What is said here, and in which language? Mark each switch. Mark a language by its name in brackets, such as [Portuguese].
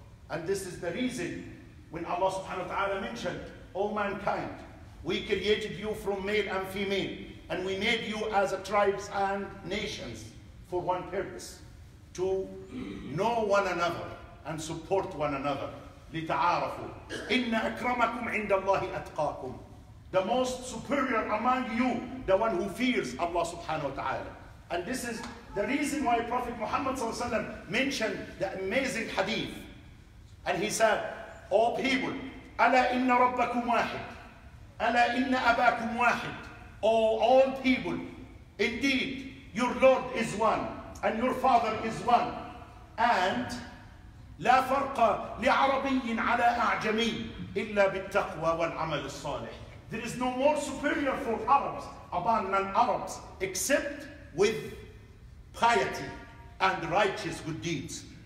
[English] And this is the reason when Allah subhanahu wa ta'ala mentioned, O mankind, we created you from male and female, and we made you as a tribes and nations for one purpose, to know one another and support one another. [Arabic] لِتَعَارَفُوا إِنَّ أَكْرَمَكُمْ عِنْدَ اللَّهِ أَتْقَاكُمْ. [English] The most superior among you, the one who fears Allah subhanahu wa ta'ala. And this is the reason why Prophet Muhammad sallallahu alaihi wasallam mentioned the amazing hadith. And he said, O people, [Arabic] أَلَا إِنَّ رَبَّكُمْ وَاحِدٌ أَلَا إِنَّ أَبَاكُمْ وَاحِدٌ. [English] O all people, indeed, your Lord is one, and your Father is one. [Arabic] And لَا فَرْقَ لِعَرَبِيٍ عَلَىٰ أَعْجَمِينَ إِلَّا بِالتَّقْوَى وَالْعَمَلِ الصَّالِحِ. [English] There is no more superior for Arabs upon non-Arabs except with piety and righteous good deeds.